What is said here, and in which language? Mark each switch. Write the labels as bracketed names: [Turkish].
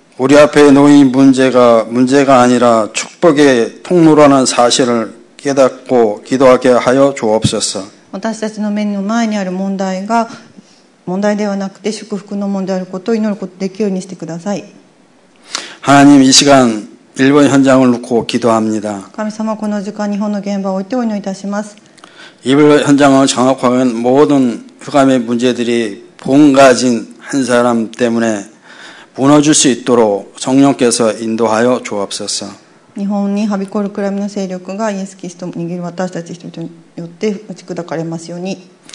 [Korean] 우리앞에놓인문제가문제가아니라축복의통로라는사실을깨닫고기도하게하여주옵소서 [Japanese] 私たちの目の前にある問題が問題ではなくて祝福の問題であることを祈ることができるようにしてください。 [Korean] 하나님이시간일본현장을놓고기도합니다 [Japanese] 神様この時間日本の現場を置いてお祈りいたします。 [Korean] 이불현장을장악하면모든흑암의문제들이본가진한사람때문에무너질수있도록성령께서인도하여주옵소서 [Japanese] 日本にはびこる暗闇の勢力がイエスキリストを握る私たち人々によって打ち砕かれますように。